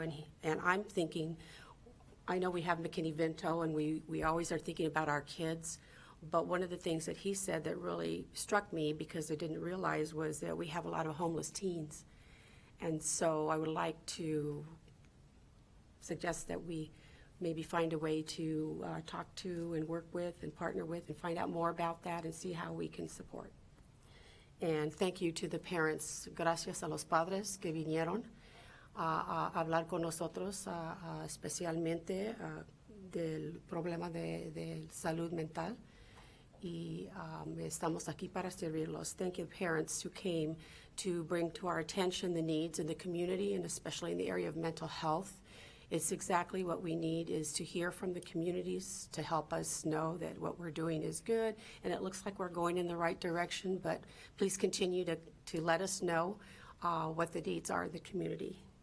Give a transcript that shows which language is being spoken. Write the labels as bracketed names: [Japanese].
[English] And I'm thinking, I know we have McKinney Vento, and we always are thinking about our kids, but one of the things that he said that really struck me, because I didn't realize, was that we have a lot of homeless teens. And so I would like to suggest that we maybe find a way to talk to and work with and partner with and find out more about that and see how we can support. And thank you to the parents. [Spanish] Gracias a los padres que vinieron a hablar con nosotros, especialmente del problema de salud mental. Y estamos aquí para servirlos. [English] Thank you, parents who came to bring to our attention the needs in the community, and especially in the area of mental health. It's exactly what we need, is to hear from the communities to help us know that what we're doing is good, and it looks like we're going in the right direction, but please continue to let us know what the needs are in the community.